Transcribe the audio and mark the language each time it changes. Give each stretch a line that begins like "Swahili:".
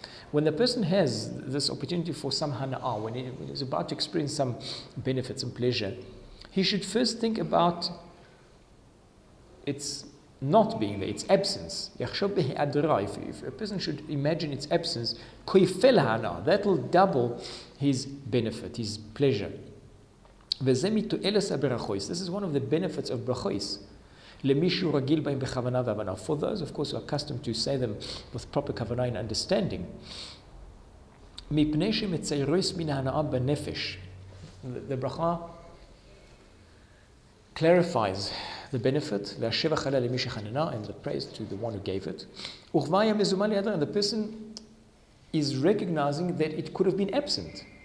English: When the person has this opportunity for some hana'a, when he is about to experience some benefits and pleasure, he should first think about its not being there, its absence.
Hebrew: Yachshob be'hadra,
English: if a person should imagine its absence,
Hebrew: koyfel hana'a,
English: that will double his benefit, his pleasure.
Hebrew: וזה מתועלת הברכות.
English: This is one of the benefits of ברכות.
Hebrew: למי שהוא רגיל בהם בכוונה והבנה.
English: For those, of course, who are accustomed to say them with proper כוונה and understanding.
Hebrew: מפני שמציירוס מן ההנאה בנפש.
English: The
Hebrew: ברכה
English: clarifies the benefit, and the praise to the one who gave it. And the person is recognizing that it could have been absent.